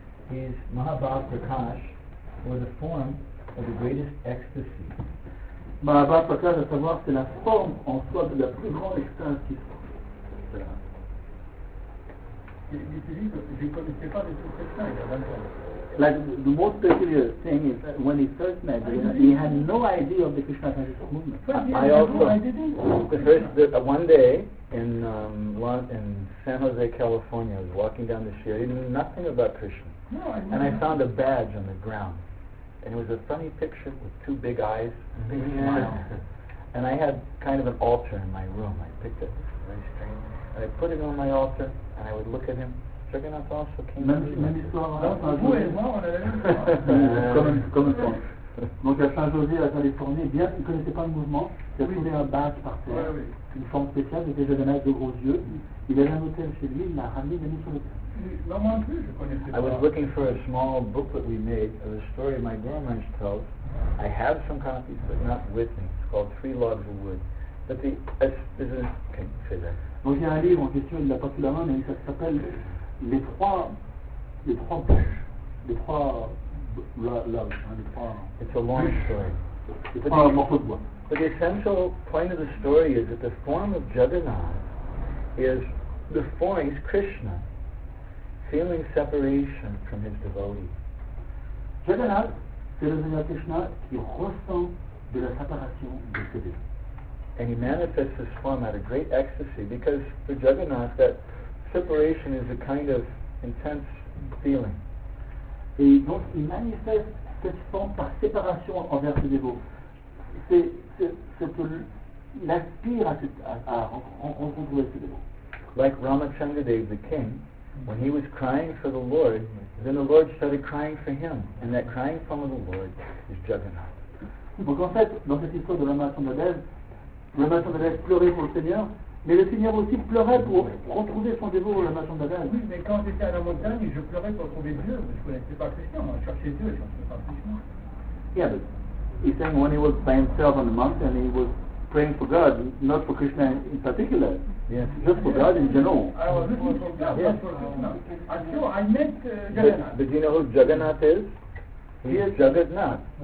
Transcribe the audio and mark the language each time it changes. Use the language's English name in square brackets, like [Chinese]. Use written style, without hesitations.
[English] His Mahabhav Prakash was a form of the greatest ecstasy. [French] Mahabhav Prakash, à savoir, c'est la forme en soi de la plus grande extase qui soit. [English] Like the most peculiar thing is that when he first met Jagannath, he had no idea of the Krishna consciousness movement. I also, the first one day in San Jose, California, I was walking down the street. I knew nothing about Krishna, and I found a badge on the ground, and it was a funny picture with two big eyes and a big smile. And I had kind of an altar in my room. I picked it, very strange. I put it on my altar, and I would look at him. Jagannath also came. [French] Même histoire. Donc à Saint-José, à Californie, bien qu'il ne connaissait pas le mouvement, il a trouvé un badge par terre, une forme spéciale, c'était Jagannath de gros yeux. Il avait un hôtel chez lui, il l'a ramené, il l'a mis sur le terrain. Non, moi non plus, je connaissais pas. [English] I was looking for a small booklet we made of a story my grandmother tells. I have some copies, but not with me. It's called Three Logs of Wood. But the... can you say that? [French] Donc il y a un livre en question, il ne l'a pas sous la main, mais ça s'appelle [English] It's a long story. But the essential point of the story is that the form of Jagannath is the form, he's Krishna, feeling separation from his devotee. [French] Jagannath, c'est le Seigneur Krishna qui ressent de la séparation de ses devotees. [English] And he manifests this form at a great ecstasy because for Jagannath that separation is a kind of intense feeling. [French] Et donc il manifeste cette forme par séparation envers ses dévots. Il aspire à rencontrer ses dévots. [English] Like Ramachandadev, the king, when he was crying for the Lord, then the Lord started crying for him. And that crying form of the Lord is Jagannath. [French] Donc en fait, dans cette histoire de Ramachandadev, Ramachandadev pleurait pour le Seigneur, mais le Seigneur aussi pleurait pour retrouver son dévot, la maison de Dieu. Oui, mais quand j'étais à la montagne, je pleurais pour trouver Dieu, parce que je ne connaissais pas Krishna, je cherchais Dieu, je ne connaissais pas Krishna. [English] Yeah, but he's saying when he was by himself on the mountain, he was praying for God, not for Krishna in particular, just for God in general. I was looking for God, not for Krishna. And so I met Jagannath. But do you know who Jagannath is? He is Jagannath.